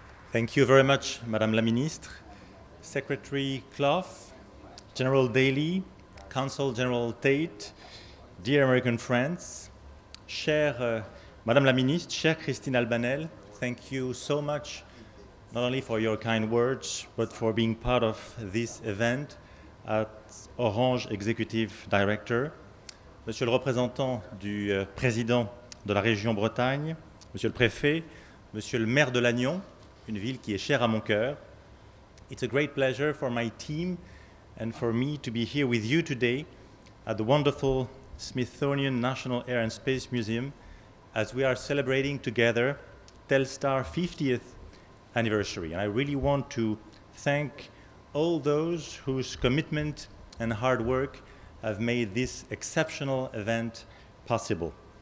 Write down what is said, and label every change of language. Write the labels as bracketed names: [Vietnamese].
[English] Thank you very much, Madame la Ministre, Secretary Clough, General Daly, Consul General Tate, dear American friends, [French] chère Madame la Ministre, [English] chère Christine Albanel, thank you so much, not only for your kind words, but for being part of this event at Orange Executive Director. [French] Monsieur le représentant du président de la région Bretagne, monsieur le préfet, monsieur le maire de Lannion, une ville qui est chère à mon cœur. [English] It's a great pleasure for my team and for me to be here with you today at the wonderful Smithsonian National Air and Space Museum as we are celebrating together Telstar 50th anniversary. And I really want to thank all those whose commitment and hard work have made this exceptional event possible.